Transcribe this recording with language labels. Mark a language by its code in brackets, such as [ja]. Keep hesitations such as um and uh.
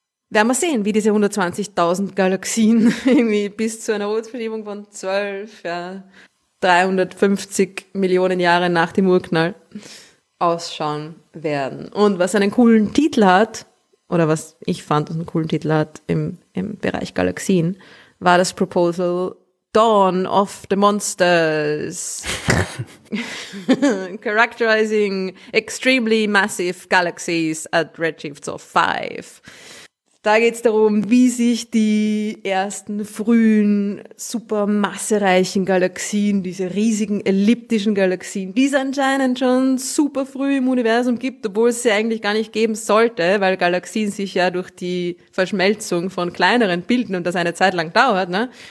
[de] Werden wir sehen, wie diese 120.000 Galaxien irgendwie bis zu einer Rotverschiebung von 12, ja, 350 Millionen Jahre nach dem Urknall ausschauen werden. Und was einen coolen Titel hat, oder was ich fand, was einen coolen Titel hat im, im Bereich Galaxien, war das Proposal Dawn of the Monsters. [en] Characterizing extremely massive galaxies at redshifts of 5. [de] Da geht's darum, wie sich die ersten frühen, supermassereichen Galaxien, diese riesigen elliptischen Galaxien, die es anscheinend schon super früh im Universum gibt, obwohl es sie eigentlich gar nicht geben sollte, weil Galaxien sich ja durch die Verschmelzung von kleineren bilden und das eine Zeit lang dauert, ne?